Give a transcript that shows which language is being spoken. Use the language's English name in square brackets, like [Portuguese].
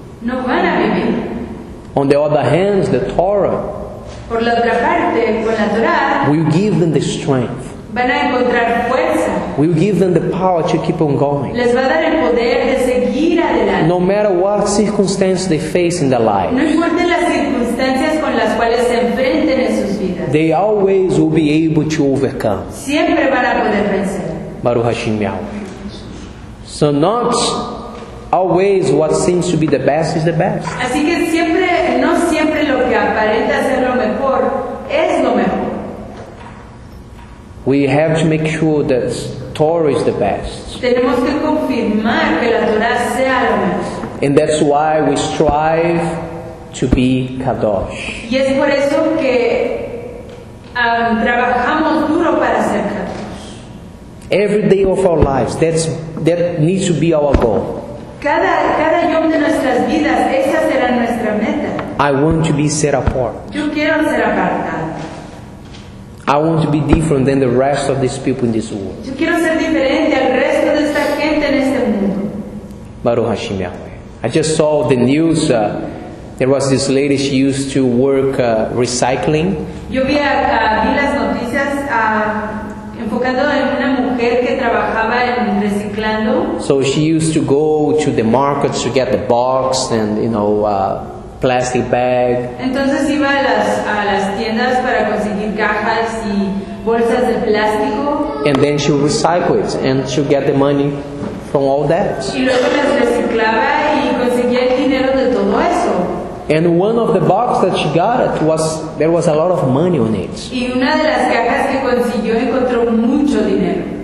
[Spanish] No van a vivir. [English] On the other hand, the Torah. [Spanish] Por la otra parte, con la Torah. [English] Will give them the strength. [Spanish] Van a encontrar fuerza. [English] Will give them the power to keep on going. [Spanish] Les va a dar el poder de seguir adelante. [English] No matter what circumstances they face in their life. [Spanish] No importa las circunstancias con las cuales se enfrenten en sus vidas. [English] They always will be able to overcome. [Spanish] Siempre van a poder vencer. [Hebrew] Baruch Hashem Yahweh. [English] So not always what seems to be the best is the best. [Spanish] Así que siempre, no siempre lo que aparenta ser lo mejor es lo mejor. [English] We have to make sure that Torah is the best. [Spanish] Tenemos que confirmar que la Torah sea lo mejor. [English] And that's why we strive to be kadosh. [Spanish] Y es por eso que trabajamos duro para ser kadosh. [English] Every day of our lives, that needs to be our goal. [Spanish] Cada día de nuestras vidas, esa será nuestra meta. [English] I want to be set apart. [Spanish] Yo quiero ser apartado. [English] I want to be different than the rest of these people in this world. [Spanish] Yo quiero ser diferente al resto de esta gente en este mundo. [Hebrew] Baruch Hashem Yahweh. [English] I just saw the news. There was this lady, she used to work recycling. [Spanish] Yo vi las noticias enfocando en una mujer que trabajaba en reciclando. [English] So she used to go to the markets to get the box and, you know, plastic bag. [Spanish] Entonces iba a las tiendas para conseguir cajas y bolsas de plástico. [English] And then she recycled it and she get the money from all that. [Spanish] Y luego las reciclaba y conseguía el dinero de todo eso. [English] And one of the boxes that she got there was a lot of money on it. [Spanish] Y una de las cajas que consiguió encontró mucho dinero.